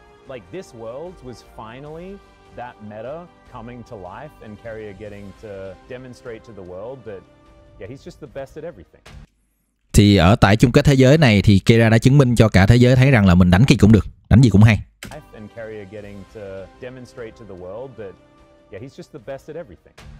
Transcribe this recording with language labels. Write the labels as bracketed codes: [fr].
[en] Like this world was finally that meta coming to life and Carrier getting to demonstrate to the world that yeah he's just the best at everything. [vi] Thì ở tại chung kết thế giới này thì Kira đã chứng minh cho cả thế giới thấy rằng là mình đánh gì cũng được, đánh gì cũng hay. [en] And Carrier getting to demonstrate to the world that yeah he's just the best at everything.